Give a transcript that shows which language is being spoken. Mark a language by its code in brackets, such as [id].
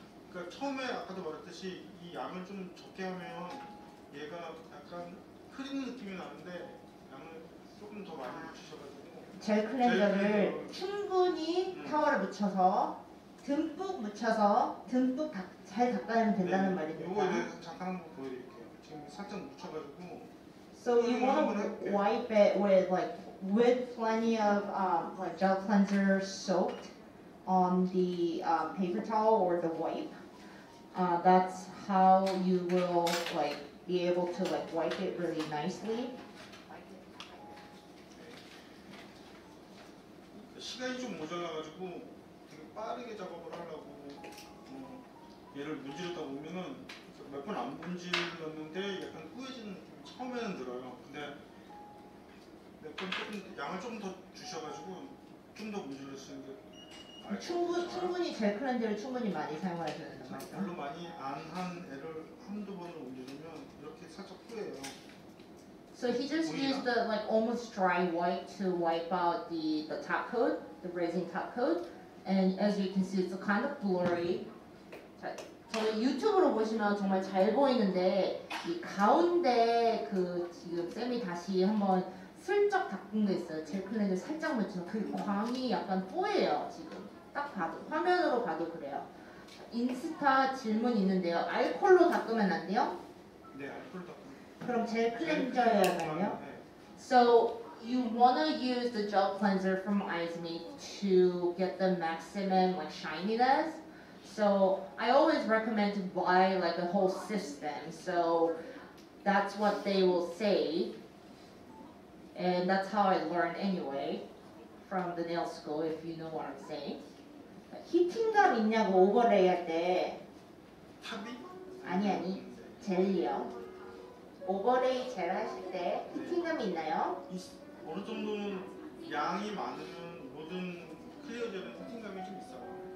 [ko] 그러니까 처음에 아까도 말했듯이 이 양을 좀 적게 하면 얘가 약간 흐리는 느낌이 나는데 양을 조금 더 많이 묻히셔가지고 젤 클렌저를 충분히 타월에 묻혀서 듬뿍 묻혀서 듬뿍 잘 닦아내면 된다는 네, 말입니다. 이거 이제 잠깐 한번 보여드릴게요. 지금 살짝 묻혀가지고 [en] So you want to wipe it with like with plenty of like gel cleanser soaked on the paper towel or the wipe. That's how you will like be able to like wipe it really nicely. [ko] 시간이 좀 모자라가지고 되게 빠르게 작업을 하려고 얘를 문지르다 보면은 몇 번 안 문질렀는데 약간 꾸여지는 느낌이 처음에는 들어요. 근데 몇 번 조금 양을 좀 더 주셔가지고 좀 더 문질렀는데 충분히 젤 클렌저를 충분히 많이 사용하셔야 되는 거죠? 별로 많이 안 한 애를 한두 번을 문지르면 이렇게 살짝 꾸여요. [en] So he just used the like almost dry wipe to wipe out the top coat, the resin top coat. And as you can see, it's kind of blurry. [ko] 자, 저희 유튜브로 보시면 정말 잘 보이는데 이 가운데 그 지금 쌤이 다시 한번 슬쩍 닦은 게 있어요. 젤 클렌저 살짝 묻혀서 그 광이 약간 뽀예요. 지금 딱 봐도 화면으로 봐도 그래요. 자, 인스타 질문 있는데요. 알콜로 닦으면 안 돼요? 네, 알콜로 닦. 그럼 젤 클렌저여야 하나요? [en] So you wanna use the gel cleanser from Aizumi to get the maximum like shininess. So I always recommend to buy like a whole system. So that's what they will say, and that's how I learned anyway from the nail school. If you know what I'm saying. [ko] 히팅감 있냐고 오버레이 할 때. 탑이? 아니 젤이요. 오버레이 젤 하실 때 히팅감이 네. 있나요? 어느 정도는 양이 많으면 모든 클리어 젤은 히팅감이 좀 있어요.